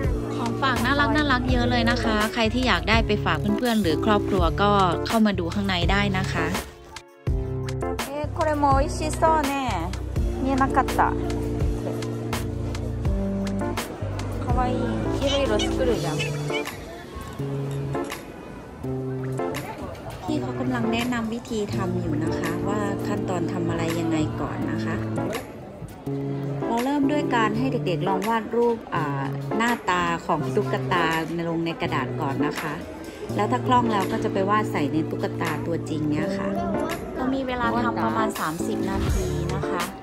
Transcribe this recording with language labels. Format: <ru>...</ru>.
<th>เยอะเลยนะคะใครที่อยากได้ไปฝากเพื่อนๆหรือครอบครัวก็เข้ามาดูข้างในได้นะคะ</th> <ja>เอ้これも美味しそうね見えなかったかわいいいろいろ作るじゃん</ja> <th>ที่เขากำลังแนะนำวิธีทำอยู่นะคะว่าขั้นตอนทำอะไรยังไงก่อนนะคะด้วยการให้เด็กๆลองวาดรูปหน้าตาของตุ๊กตาลงในกระดาษก่อนนะคะแล้วถ้าคล่องแล้วก็จะไปวาดใส่ในตุ๊กตาตัวจริงเนี่ยค่ะก็มีเวลาทำประมาณ30นาทีนะคะ</th>